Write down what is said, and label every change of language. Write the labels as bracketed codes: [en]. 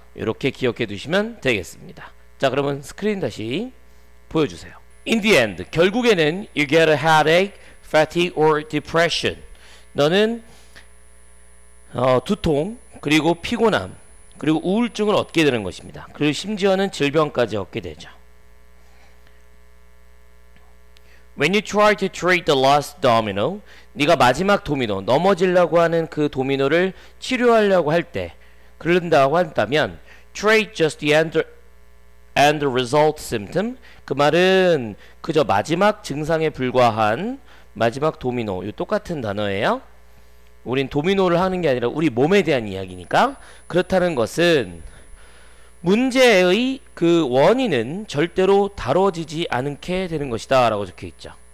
[ko] 이렇게 기억해 두시면 되겠습니다. 자, 그러면 스크린 다시 보여주세요. [en] In the end, [ko] 결국에는 [en] you get a headache, fatigue or depression. [ko] 너는 두통, 그리고 피곤함, 그리고 우울증을 얻게 되는 것입니다. 그리고 심지어는 질병까지 얻게 되죠. [en] When you try to treat the last domino, [ko] 네가 마지막 도미노, 넘어지려고 하는 그 도미노를 치료하려고 할 때, 그런다고 한다면, [en] treat just the end result symptom. [ko] 그 말은 그저 마지막 증상에 불과한 마지막 도미노, 이 똑같은 단어예요. 우린 도미노를 하는 게 아니라 우리 몸에 대한 이야기니까. 그렇다는 것은 문제의 그 원인은 절대로 다뤄지지 않게 되는 것이다 라고 적혀 있죠.